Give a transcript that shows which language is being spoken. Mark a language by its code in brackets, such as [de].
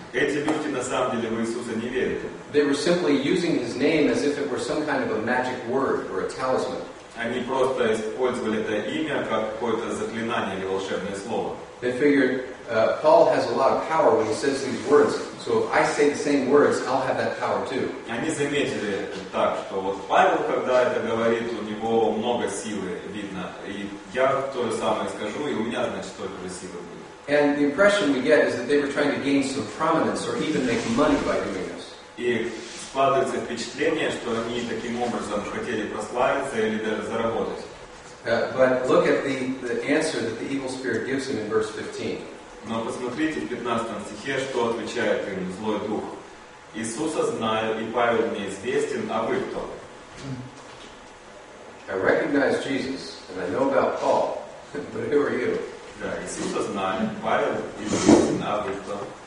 [ru] Эти люди на самом деле в Иисуса не верили. [en] They were simply using his name as if it were some kind of a magic word or a talisman. [ru] Они просто использовали это имя как какое-то заклинание или волшебное слово. [en] They figured, Paul has a lot of power when he says these words. So if I say the same words, I'll have that power too. [ru] Они заметили так, что вот Павел, когда это говорит, у него много силы видно. И я то же самое скажу, и у меня, значит, только же силы будет. [en] And the impression we get is that they were trying to gain some prominence or even make money by doing this. [ru] И складывается впечатление, что они таким образом хотели прославиться или даже заработать. [en] But look at the answer that the evil spirit gives him in verse 15. [ru] Но посмотрите в 15 стихе, что отвечает им злой дух. Иисуса знаю, и Павел мне известен, а вы кто? [en] I recognize Jesus, and I know about Paul, but who are you? [ru] Да, Иисуса знаю, Павел известен, а вы кто?